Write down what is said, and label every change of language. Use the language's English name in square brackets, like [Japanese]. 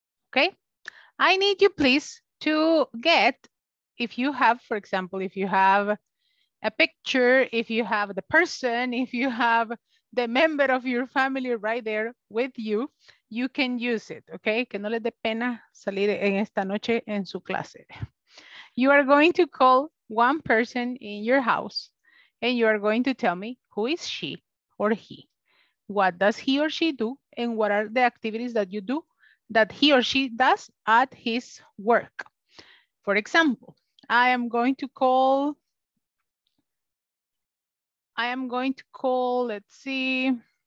[English] Okay, I need you please to get, if you have, for example, if you have a picture, if you have the person, if you have the member of your family right there with you, you can use it, okay? [Spanish] Que no les dé pena salir en esta noche en su clase. [English] You are going to call one person in your house and you are going to tell me who is she or he? What does he or she do? And what are the activities that you do that he or she does at his work? For example, I am going to call, let's see.